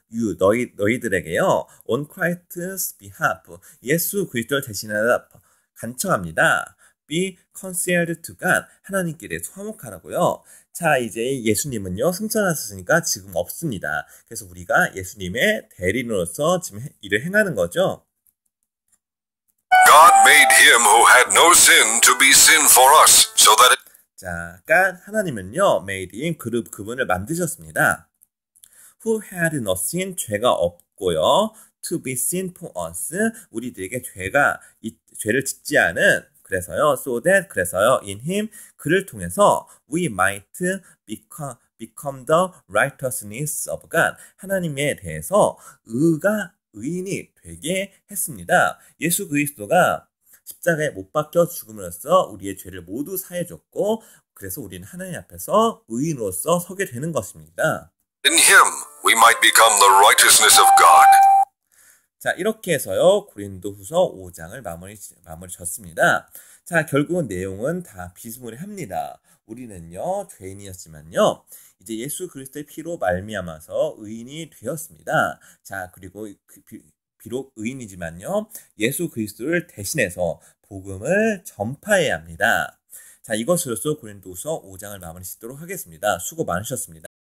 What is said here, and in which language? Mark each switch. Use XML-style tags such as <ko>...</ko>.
<en>You,</en> <ko>너희들에게요,</ko> <en>on Christ's behalf,</en> <ko>예수 그리스도를 대신하다 간청합니다.</ko> <en>Be reconciled to God,</en> <ko>하나님께 대해서 화목하라고요. 자, 이제 예수님은요, 승천하셨으니까 지금 없습니다. 그래서 우리가 예수님의 대리인으로서 지금 일을 행하는 거죠.</ko> <en>God made him who had no sin to be sin for us, so that it</en> <ko>잠깐, 하나님은요,</ko> <en>made in</en> <ko>그룹 그분을 만드셨습니다.</ko> <en>Who had no sin,</en> <ko>죄가 없고요.</ko> <en>To be sin for us,</en> <ko>우리들에게 죄를 짓지 않은, 그래서요,</ko> <en>so that,</en> <ko>그래서요,</ko> <en>in him,</en> <ko>그를 통해서,</ko> <en>we might become the righteousness of God.</en> <ko>하나님에 대해서 의가 의인이 되게 했습니다. 예수 그리스도가 십자가에 못 박혀 죽음으로써 우리의 죄를 모두 사해줬고, 그래서 우리는 하나님 앞에서 의인으로서 서게 되는 것입니다.</ko> <en>In him, we might become the righteousness of God.</en> <ko>자, 이렇게 해서요, 고린도후서 5장을 마무리 졌습니다. 자, 결국은 내용은 다 비스무리합니다. 우리는요, 죄인이었지만요, 이제 예수 그리스도의 피로 말미암아서 의인이 되었습니다. 자, 그리고 비록 의인이지만요, 예수 그리스도를 대신해서 복음을 전파해야 합니다. 자, 이것으로써 고린도후서 5장을 마무리 짓도록 하겠습니다. 수고 많으셨습니다.</ko>